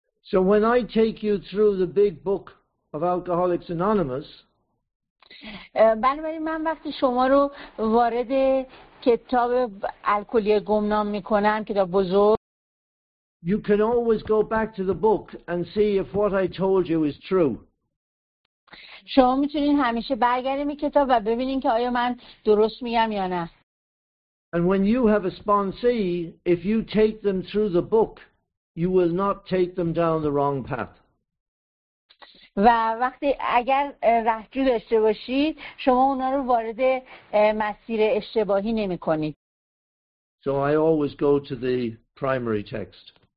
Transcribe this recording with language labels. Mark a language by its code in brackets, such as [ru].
[en] So when I take you through the big book of Alcoholics Anonymous, [fa] بنابراین من وقتی شما رو وارد کتاب الکلی گمنام میکنم، کتاب بزرگ، [en] you can always go back to the book and see if what I told you is true. [fa] شما میتونین همیشه برگردیم این کتاب و ببینین که آیا من درست میگم یا نه. [en] And when you have a sponsee, if you take them through the book, you will not take them down the wrong path. [fa] و وقتی اگر رهجو داشته باشید شما اونا رو وارد مسیر اشتباهی نمی کنید. [en] So I always go to the primary text.